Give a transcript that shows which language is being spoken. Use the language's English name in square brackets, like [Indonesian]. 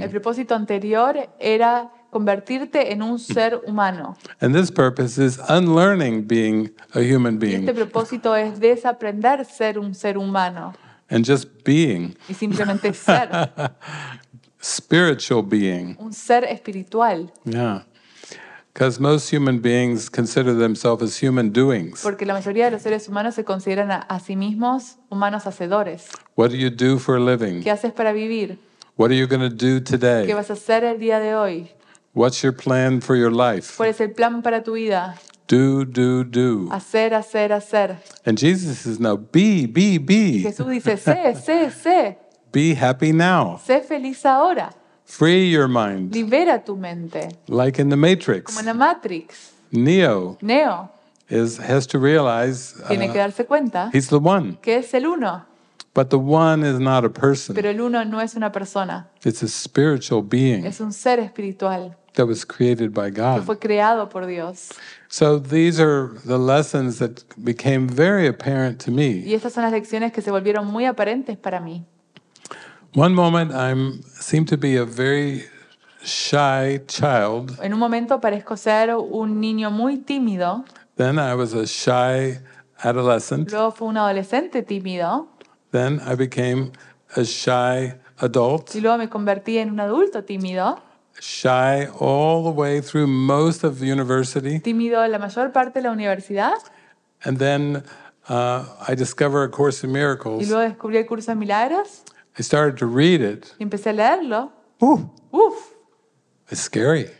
[Spanish] El propósito anterior era convertirte en un ser humano. [English] And this purpose is unlearning being a human being. [Spanish] Este propósito es desaprender ser un ser humano. [English] And just being. [Spanish] Y simplemente ser. [English] Spiritual being. [Spanish] Un ser espiritual. [English] Yeah. Because most human beings consider themselves as human doings. [Spanish] Porque la mayoría de los seres humanos se consideran a sí mismos humanos hacedores. [English] What do you do for a living? [Spanish] ¿Qué haces para vivir? [English] What are you going to do today? [Spanish] ¿Qué vas a hacer el día de hoy? [English] What's your plan for your life? [Spanish] ¿Cuál es el plan para tu vida? [English] Do, do, do. [Spanish] Hacer, hacer, hacer. [English] And Jesus says, no, be, be, be. [Spanish] Jesús dice, sé, sé, sé. [English] Be happy now. [Spanish] Sé feliz ahora. [English] Free your mind. [Spanish] Libera tu mente. [English] Like in the Matrix. [Spanish] Como en la Matrix. [English] Neo. [Spanish] Neo. [English] Has to realize. [Spanish] Tiene que darse cuenta. [English] He's the one. [Spanish] Que es el uno. [English] But the one is not a person. [Spanish] Pero el uno no es una persona. [English] It's a spiritual being. [Spanish] Es un ser espiritual. [English] That was created by God. [Spanish] Que fue creado por Dios. [English] So these are the lessons that became very apparent to me. [Spanish] Y estas son las lecciones que se volvieron muy aparentes para mí. [English] One moment seem to be a very shy child. [Spanish] En un momento parezco ser un niño muy tímido. [English] Then I was a shy adolescent. [Spanish] Luego fui un adolescente tímido. [English] Then I became a shy adult. [Spanish] Y luego me convertí en un adulto tímido. [English] Shy all the way through most of the university. [Spanish] Tímido la mayor parte de la universidad. [English] And then I discover A Course in Miracles. [Spanish] Y luego descubrí El Curso de Milagros. [English] I started to read it. [Spanish] Y empecé a leerlo. [English] Uf. It's scary.